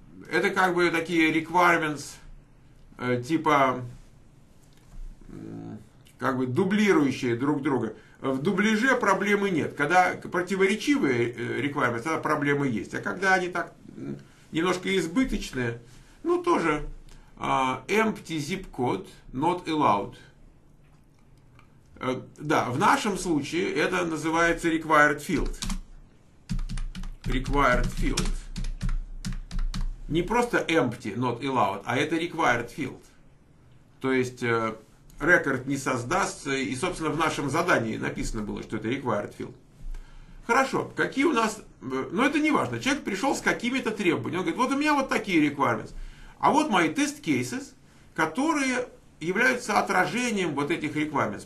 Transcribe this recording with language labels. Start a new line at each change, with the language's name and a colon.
Russian: Это как бы такие requirements, типа, как бы дублирующие друг друга. В дубляже проблемы нет. Когда противоречивые requirements, тогда проблемы есть. А когда они так немножко избыточные, ну тоже.
English: Empty zip code not allowed.
Russian: Да, в нашем случае это называется required field. Required field. Не просто
English: empty, not allowed,
Russian: а это required field. То есть, рекорд не создастся, и, собственно, в нашем задании написано было, что это required field. Хорошо, какие у нас... Ну, это не важно. Человек пришел с какими-то требованиями. Он говорит, вот у меня вот такие requirements. А вот мои test cases, которые являются отражением вот этих requirements.